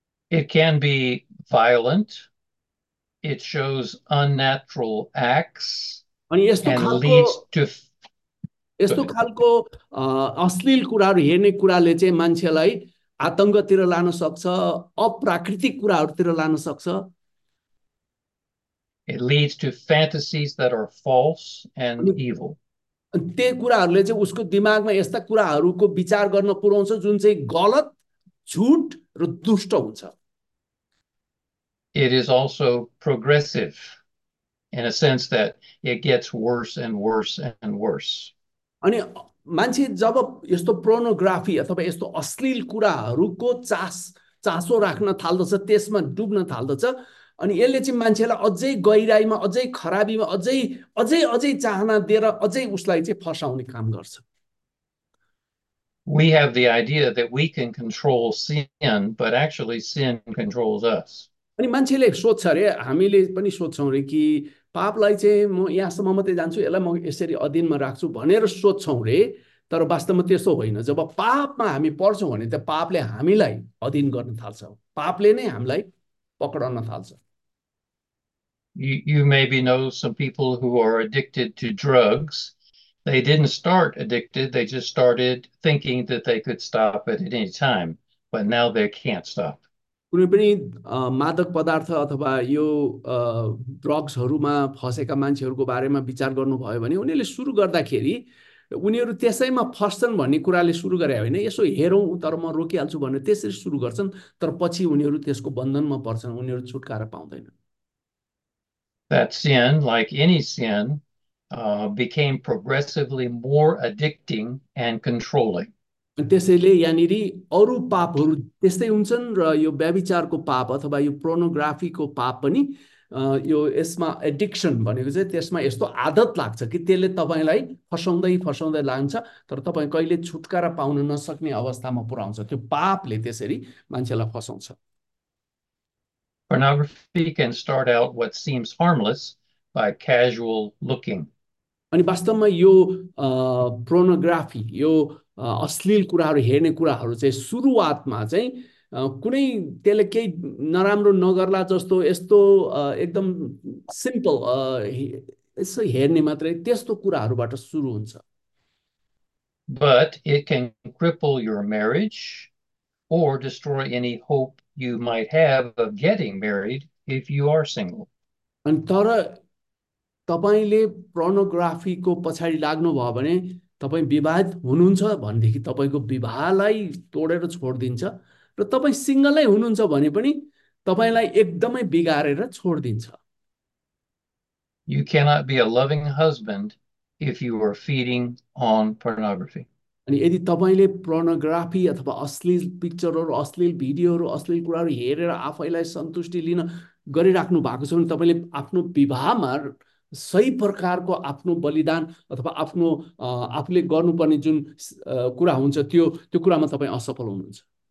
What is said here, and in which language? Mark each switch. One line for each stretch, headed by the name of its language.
English: It can be violent. It shows unnatural acts
Nepali: अनि यस्तो
English: and
Nepali: खालको
English: leads to.
Nepali: यस्तो खालको अश्लील कुराहरू हेर्ने कुराले चाहिँ मान्छेलाई आतङ्कतिर लान सक्छ अप्राकृतिक कुराहरूतिर लान सक्छ
English: It leads to fantasies that are false and evil.
Nepali: त्यही कुराहरूले चाहिँ उसको दिमागमा यस्ता कुराहरूको विचार गर्न पुर्याउँछ जुन चाहिँ गलत झुट र दुष्ट हुन्छ
English: It is also progressive in a sense that it gets worse and worse and worse.
Nepali: अनि मान्छे जब यस्तो प्रोनोग्राफी अथवा यस्तो अश्लील कुराहरूको चासो राख्न थाल्दछ त्यसमा डुब्न थाल्दछ अनि यसले चाहिँ मान्छेलाई अझै गहिराईमा अझै खराबीमा अझै अझै अझै चाहना दिएर अझै उसलाई चाहिँ फसाउने काम गर्छ
English: We have the idea that we can control sin, but actually sin controls us.
Nepali: अनि मान्छेले सोध्छ अरे हामीले पनि सोध्छौँ अरे कि पापलाई चाहिँ म यहाँसम्म मात्रै जान्छु यसलाई म यसरी अधीनमा राख्छु भनेर सोध्छौँ अरे तर वास्तवमा त्यस्तो होइन जब पापमा हामी पर्छौँ भने त पापले हामीलाई अधीन गर्न थाल्छ पापले नै हामीलाई पक्रन थाल्छ
English: You maybe know some people who are addicted to drugs. They didn't start addicted, they just started thinking that they could stop at any time, but now they can't stop.
Nepali: कुनै पनि मादक पदार्थ अथवा यो ड्रग्सहरूमा फसेका मान्छेहरूको बारेमा विचार गर्नुभयो भने उनीहरूले सुरु गर्दाखेरि उनीहरू त्यसैमा फस्छन् भन्ने कुराले सुरु गरे होइन यसो हेरौँ तर म रोकिहाल्छु भनेर त्यसरी सुरु गर्छन् तर पछि उनीहरू त्यसको बन्धनमा पर्छन् उनीहरू छुटकारा पाउँदैनन्
English: That sin, like any sin, became progressively more addicting and controlling.
Nepali: त्यसैले यहाँनिर अरू पापहरू त्यस्तै हुन्छन् र यो व्यभिचारको पाप अथवा यो प्रोनोग्राफीको पाप पनि यो यसमा एडिक्सन भनेको चाहिँ त्यसमा यस्तो आदत लाग्छ कि त्यसले तपाईँलाई फसाउँदै फसाउँदै लान्छ तर तपाईँ कहिले छुटकारा पाउन नसक्ने अवस्थामा पुर्याउँछ त्यो पापले त्यसरी मान्छेलाई फसाउँछ
English: Pornography can start out what seems harmless by casual looking.
Nepali: अनि वास्तवमा यो प्रोनोग्राफी यो अश्लील कुराहरू हेर्ने कुराहरू चाहिँ सुरुवातमा चाहिँ कुनै त्यसले केही नराम्रो नगर्ला जस्तो यस्तो एकदम सिम्पल यसो हेर्ने मात्रै त्यस्तो कुराहरूबाट सुरु हुन्छ
English: But it can cripple your marriage or destroy any hope you might have of getting married if you are single.
Nepali: अनि तर तपाईँले प्रोनोग्राफीको पछाडि लाग्नुभयो भने तपाईँ विवाहित हुनुहुन्छ भनेदेखि तपाईँको विवाहलाई तोडेर छोडिदिन्छ र तपाईँ सिङ्गलै हुनुहुन्छ भने पनि तपाईँलाई एकदमै बिगारेर छोडिदिन्छ
English: You cannot be a loving husband if you are feeding on pornography.
Nepali: अनि यदि तपाईँले प्रोनोग्राफी अथवा अश्लील पिक्चरहरू अश्लील भिडियोहरू अश्लील कुराहरू हेरेर आफैलाई सन्तुष्टि लिन गरिराख्नु भएको छ भने तपाईँले आफ्नो विवाहमा सही प्रकारको आफ्नो बलिदान अथवा आफ्नो आफूले गर्नुपर्ने जुन कुरा हुन्छ त्यो त्यो कुरामा तपाईँ असफल हुनुहुन्छ